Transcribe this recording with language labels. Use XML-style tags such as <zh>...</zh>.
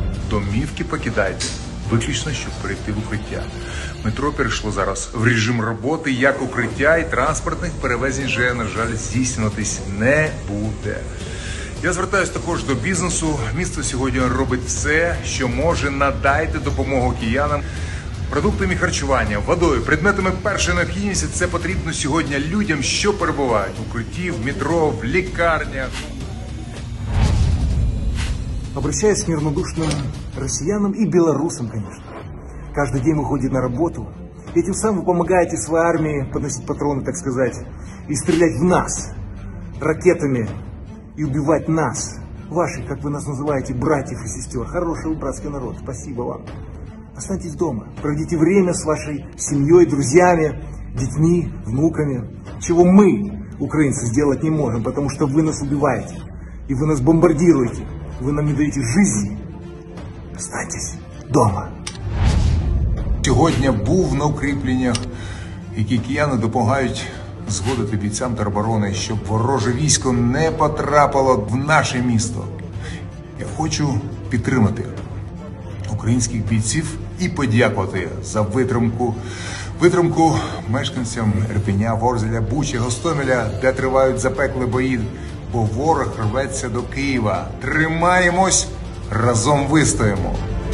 <uk>Домівки покидайте, виключно, щоб перейти в укриття. Метро перейшло зараз в режим роботи, як укриття і транспортних перевезень вже, на жаль, здійснюватись не буде. Я звертаюся також до бізнесу. Місто сьогодні робить все, що може. Надайте допомогу киянам. Продуктами харчування, водою, предметами першої необхідності – це потрібно сьогодні людям, що перебувають у укритті, в метро, в лікарнях.</uk> <ru>Обращаюсь к неравнодушным россиянам и белорусам, конечно. Каждый день выходит на работу, и тем самым вы помогаете своей армии подносить патроны, так сказать, и стрелять в нас ракетами и убивать нас, ваших, как вы нас называете, братьев и сестер. Хороший братский народ, спасибо вам. Останьтесь дома, проведите время с вашей семьей, друзьями, детьми, внуками, чего мы, украинцы, сделать не можем, потому что вы нас убиваете, и вы нас бомбардируете, вы нам не даете жизни. Останьтесь дома.</ru> <uk>Сьогодні був на укріпленнях, які кияни допомагають згодити бійцям тероборони, щоб вороже військо не потрапило в наше місто. Я хочу підтримати українських бійців і подякувати за витримку мешканцям Ірпеня, Ворзеля, Бучі, Гостомеля, де тривають запеклі бої, бо ворог рветься до Києва. Тримаємось, разом вистоїмо!</uk>